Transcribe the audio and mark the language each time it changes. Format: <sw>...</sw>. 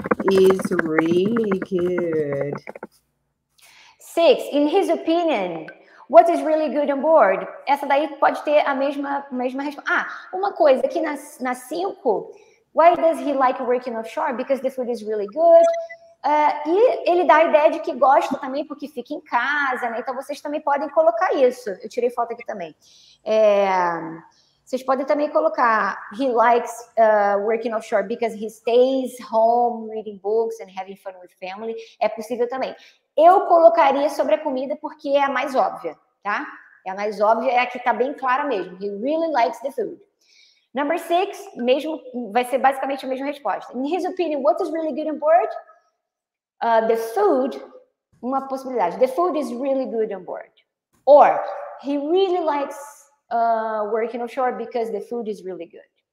<en>is really good. 6, in his opinion, what is really good on board?</en> <pt>Essa daí pode ter a mesma resposta. Ah, uma coisa aqui na 5.</pt> <en>Why does he like working offshore? Because the food is really good.</en> <pt>E ele dá a ideia de que gosta também, porque fica em casa, né? Então, vocês também podem colocar isso. Eu tirei foto aqui também. Vocês podem também colocar,</pt> <en>he likes working offshore because he stays home, reading books and having fun with family.</en> <pt>É possível também. Eu colocaria sobre a comida porque é a mais óbvia, tá? É a mais óbvia, é a que tá bem clara mesmo.</pt> <en>He really likes the food. Number six,</en> <pt>mesmo, vai ser basicamente a mesma resposta.</pt> <en>In his opinion, what is really good on board? The food,</en> <pt>uma possibilidade.</pt> <en>The food is really good on board. Or, he really likes working offshore because the food is really good.</en>